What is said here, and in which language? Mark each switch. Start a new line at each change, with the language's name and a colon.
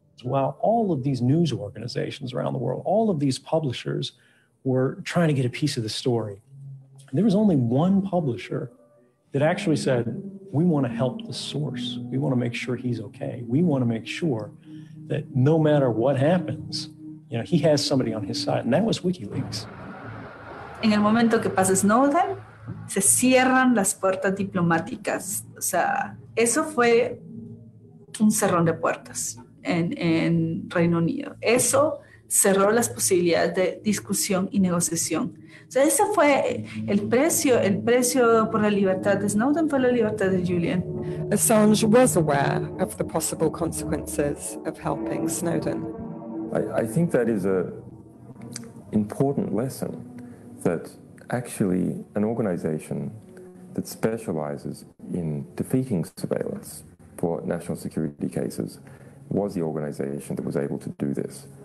English: While all of these news organizations around the world, all of these publishers were trying to get a piece of the story, and there was only one publisher that actually said, we want to help the source. We want to make sure he's okay. We want to make sure that no matter what happens, you know, he has somebody on his side, and that was WikiLeaks.
Spanish: En el momento que pasa Snowden, se cierran las puertas diplomáticas. O sea, eso fue un cerrón de puertas. En Reino Unido. Eso cerró las posibilidades de discusión y negociación. O sea, ese fue el precio por la libertad de Snowden, por la libertad de Julian.
English: Assange was aware of the possible consequences of helping Snowden. I think that is a important lesson, that actually an organization that specializes in defeating surveillance for national security cases was the organization that was able to do this.